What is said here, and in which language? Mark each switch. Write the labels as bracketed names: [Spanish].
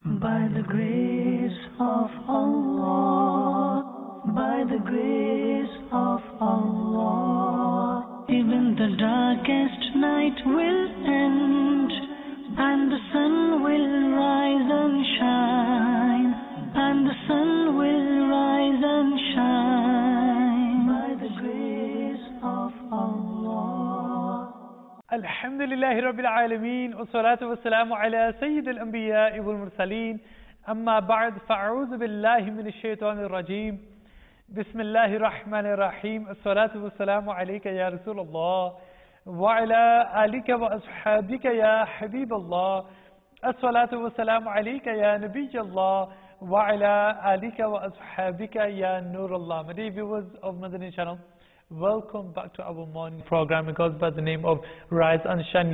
[English] by the grace of Allah, by the grace of Allah. Even the darkest night will end, and the sun will rise and shine, and the sun will rise and shine. By the grace of Allah. [Arabic] الحمد لله رب العالمين والصلاة والسلام على سيد الأنبياء والمرسلين أما بعد فأعوذ بالله من الشيطان الرجيم بسم الله الرحمن الرحيم الصلاة والسلام عليك يا رسول الله وعلى آلك وأصحابك يا حبيب الله الصلاة والسلام عليك يا نبي الله وعلى آلك وأصحابك يا نور الله. [English] My dear viewers of Madani Channel, welcome back to our morning program. It goes by the name of Rise and Shine.